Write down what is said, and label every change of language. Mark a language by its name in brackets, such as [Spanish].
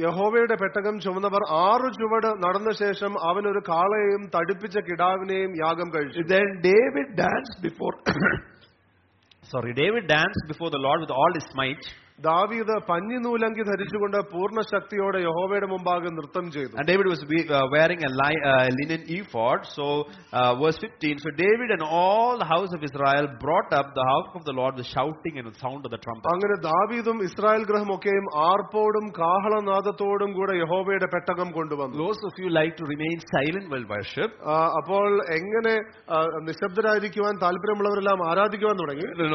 [Malayalam] യഹോവയുടെ പെട്ടകം ചുമന്നവർ 6 ചുവട് നടന്ന ശേഷം അവൻ ഒരു കാളയെയും തടിപ്പിച്ച കിടാവിനെയും യാഗം കഴിച്ചു. [English] Then David danced before David danced before the Lord with all his might. [Malayalam] ദാവീദ് പഞ്ഞിനൂലങ്കി ധരിച്ചുകൊണ്ട് പൂർണ്ണ ശക്തിയോടെ യഹോവയുടെ മുമ്പാകെ നൃത്തം ചെയ്തു. [English] And David was wearing a linen ephod. So verse 15, so David and all the house of Israel brought up the house of the Lord with shouting and the sound of the trumpet. [Malayalam] അങ്ങനെ ദാവീദും Israel ഗൃഹം ഒക്കെയും ആർപ്പോടും കാഹളനാദത്തോടും കൂടെ യഹോവയുടെ പെട്ടകം കൊണ്ടുവന്നു. [English] Those of you like to remain silent while worship. [Malayalam] അപ്പോൾ എങ്ങനെ നിശബ്ദരായിരിക്കുവാൻ താല്പര്യമുള്ളവരെല്ലാം ആരാധിക്കുവാൻ തുടങ്ങി.